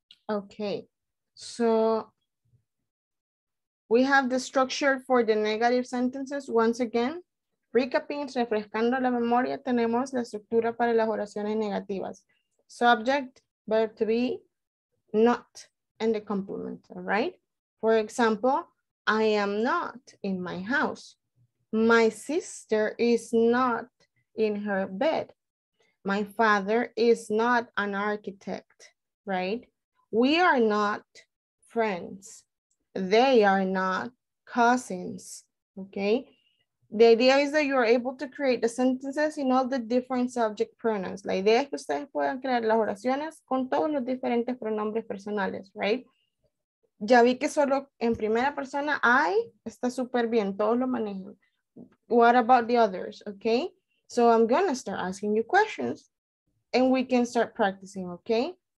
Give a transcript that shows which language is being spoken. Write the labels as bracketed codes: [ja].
[en] Okay, so we have the structure for the negative sentences. Once again, recapping, [es] refrescando la memoria, tenemos la estructura para las oraciones negativas. [en] Subject, verb to be, not, and the complement, all right? For example, I am not in my house. My sister is not in her bed. My father is not an architect, right? We are not friends. They are not cousins, okay? The idea is that you are able to create the sentences in all the different subject pronouns. [es] La idea es que ustedes puedan crear las oraciones con todos los diferentes pronombres personales, right? Ya vi que solo en primera persona, I, está súper bien, todos lo manejan. [en] What about the others, okay? So I'm gonna start asking you questions and we can start practicing, okay?